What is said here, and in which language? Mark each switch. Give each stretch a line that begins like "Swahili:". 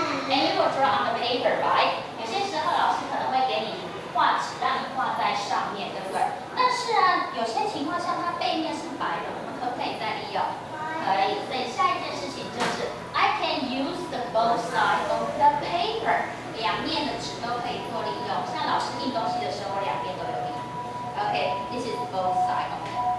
English: And you will draw on the paper, right?
Chinese: 有些时候老师可能会给你画纸，让你画在上面，对不对？但是啊，有些情况下它背面是白的，我们可不可以再利用？可以。所以下一件事情就是
English: I can use the both sides of the paper.
Chinese: 两面的纸都可以做利用，像老师印东西的时候，两面都有利用。
English: OK, this is both sides of it.